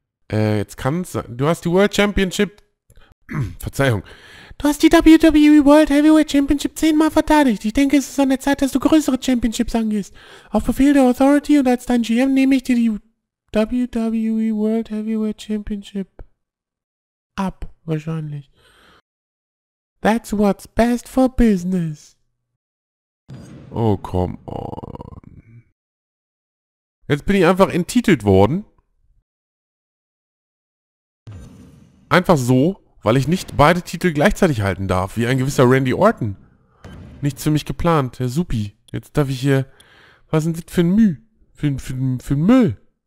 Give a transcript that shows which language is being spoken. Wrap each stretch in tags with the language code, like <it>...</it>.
<de>Jetzt kann's sein, du hast die World Championship, Verzeihung, du hast die WWE World Heavyweight Championship 10-mal verteidigt. Ich denke, es ist an der Zeit, dass du größere Championships angehst. Auf Befehl der Authority und als dein GM nehme ich dir die WWE World Heavyweight Championship ab, wahrscheinlich.</de> <en>That's what's best for business. Oh, come on.</en> <de>Jetzt bin ich einfach enttitelt worden. Einfach so, weil ich nicht beide Titel gleichzeitig halten darf, wie ein gewisser Randy Orton. Nichts für mich geplant, Herr Supi. Jetzt darf ich hier... Was ist denn das für ein Müh? Für ein Müll?</de>